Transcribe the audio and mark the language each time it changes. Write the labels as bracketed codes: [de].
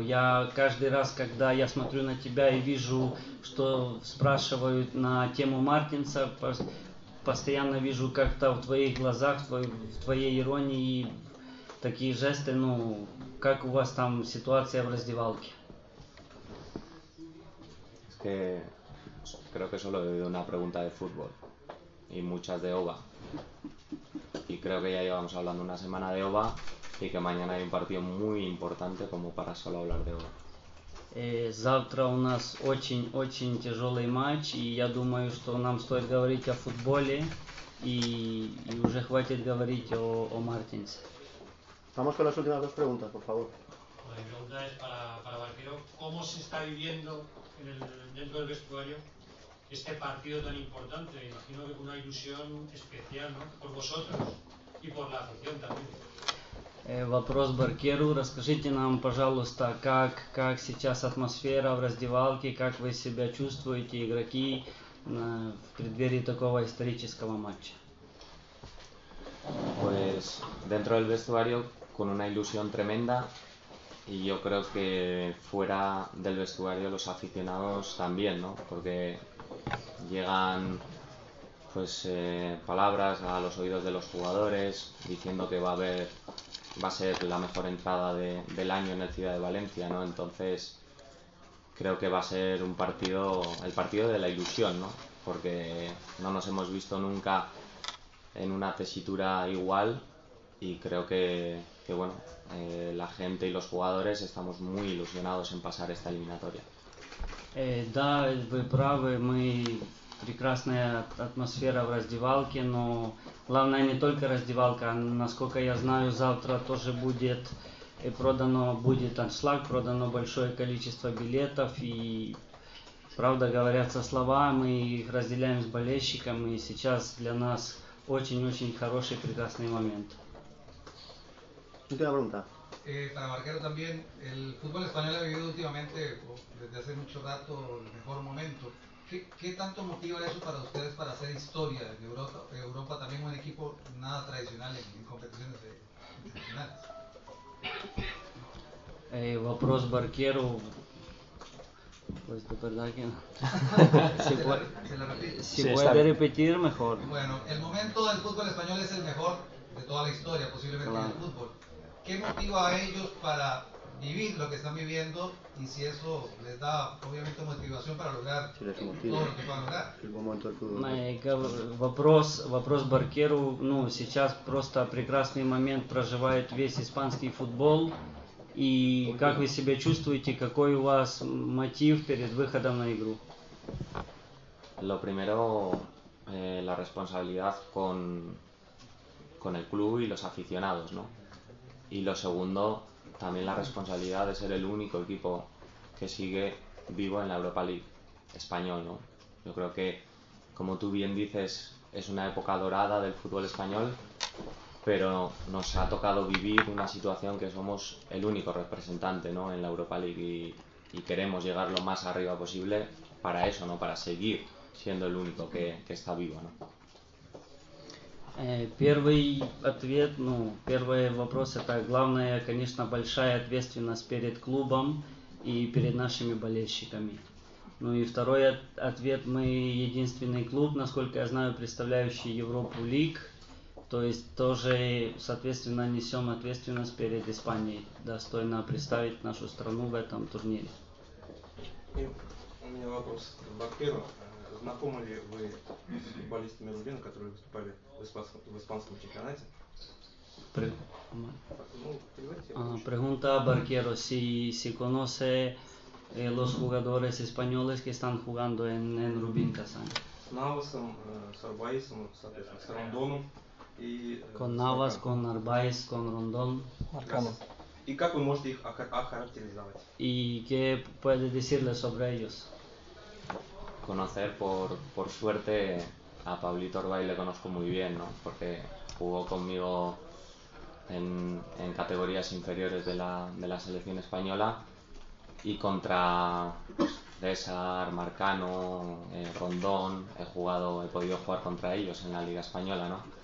[ru] Я каждый раз, когда я смотрю на тебя и вижу, что спрашивают на тему Мартинса, постоянно вижу как-то в твоих глазах, в твоей иронии такие жесты. Ну, как у вас там ситуация в раздевалке? [es] Es que creo que solo he oído una pregunta de fútbol y muchas de Ova. Y creo que ya llevamos hablando una semana de Ova y que mañana hay un partido muy importante como para solo hablar de Ova. [ru] Завтра у нас очень-очень тяжелый матч, и я думаю, что нам стоит говорить о футболе, и уже хватит говорить о Мартинсе. [es] Vamos con las últimas dos preguntas, por favor. La pregunta es para Barquero. ¿Cómo se está viviendo dentro del vestuario este partido tan importante? Imagino que con una ilusión especial, ¿no? Por vosotros y por la afición también. [ru] Вопрос Баркеру. Расскажите нам, пожалуйста, как сейчас атмосфера в раздевалке, как вы себя чувствуете, игроки, в преддверии такого исторического матча? [es] Pues dentro del vestuario con una ilusión tremenda y yo creo que fuera del vestuario los aficionados también, ¿no? Porque llegan pues palabras a los oídos de los jugadores diciendo que va a haber va a ser la mejor entrada del año en el Ciudad de Valencia, ¿no? Entonces, creo que va a ser el partido de la ilusión, ¿no? Porque no nos hemos visto nunca en una tesitura igual y creo que bueno, la gente y los jugadores estamos muy ilusionados en pasar esta eliminatoria. [ru] Да, вы правы, мы прекрасная атмосфера в раздевалке, но главное не только раздевалка, а насколько я знаю, завтра тоже будет продано, будет аншлаг, продано большое количество билетов, и правда говорятся слова, мы их разделяем с болельщиком, и сейчас для нас очень-очень хороший, прекрасный момент. [es] Última pregunta. Para Marquero también, el fútbol español ha vivido últimamente, desde hace mucho rato, el mejor momento. ¿Qué tanto motiva eso para ustedes para hacer historia en Europa? Europa también es un equipo nada tradicional en competiciones internacionales. [ru] Вопрос Barquero. [es] Pues de verdad que no. Si puede repetir, mejor. Bueno, el momento del fútbol español es el mejor de toda la historia, posiblemente, claro, del fútbol. ¿Qué motiva a ellos para vivir lo que están viviendo y si eso les da, obviamente, motivación para lograr si les motiva, todo lo que puedan lograr? El buen momento del fútbol. [ru] Вопрос Barquero. Ну, сейчас просто прекрасный момент проживает весь испанский футбол. И как вы себя чувствуете? Какой у вас мотив перед выходом на игру? [es] Lo primero, la responsabilidad con el club y los aficionados, ¿no? Y lo segundo, también la responsabilidad de ser el único equipo que sigue vivo en la Europa League español, ¿no? Yo creo que, como tú bien dices, es una época dorada del fútbol español, pero nos ha tocado vivir una situación que somos el único representante, ¿no?, en la Europa League y queremos llegar lo más arriba posible para eso, ¿no?, para seguir siendo el único que está vivo, ¿no? [ru] Первый ответ, ну, первый вопрос, это главное, конечно, большая ответственность перед клубом и перед нашими болельщиками. Ну и второй ответ, мы единственный клуб, насколько я знаю, представляющий Европу Лиг, то есть тоже, соответственно, несем ответственность перед Испанией, достойно представить нашу страну в этом турнире. И у меня вопрос, во-первых, знакомы ли вы с футболистами Рубина, которые выступали в испанском чемпионате? [es] Pregunta Barquero, si conoce los jugadores españoles que están jugando en Рубин Казань. [ru] С Навасом, с Арбаисом, соответственно, с Рондоном. И, [es] con Навас, con Арбаис, con Рондон. [ru] И как вы можете их охарактеризовать? [es] И que puede decirle sobre ellos? Conocer por suerte a Pablito Arbay le conozco muy bien, ¿no? Porque jugó conmigo en categorías inferiores de la selección española y contra César, Marcano, Rondón, he podido jugar contra ellos en la Liga Española, ¿no?